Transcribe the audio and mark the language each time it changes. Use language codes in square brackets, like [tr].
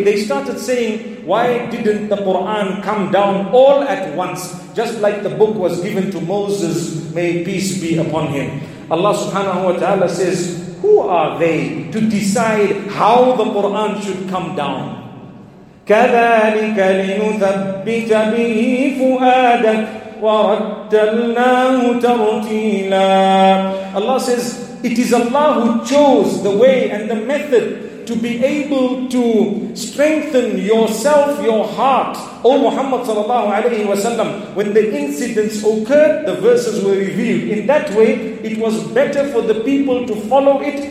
[en] They started saying, why didn't the Quran come down all at once? Just like the book was given to Moses, may peace be upon him. Allah subhanahu wa ta'ala says, who are they to decide how the Quran should come down? [ar] كَذَلِكَ لِنُثَبِّتَ بِهِ فُؤَادَكَ وَرَتَّلْنَاهُ تَرْتِيلًا. [en] Allah says, it is Allah who chose the way and the method to be able to strengthen yourself, your heart. O Muhammad sallallahu alayhi wa sallam, when the incidents occurred, the verses were revealed. In that way, it was better for the people to follow it.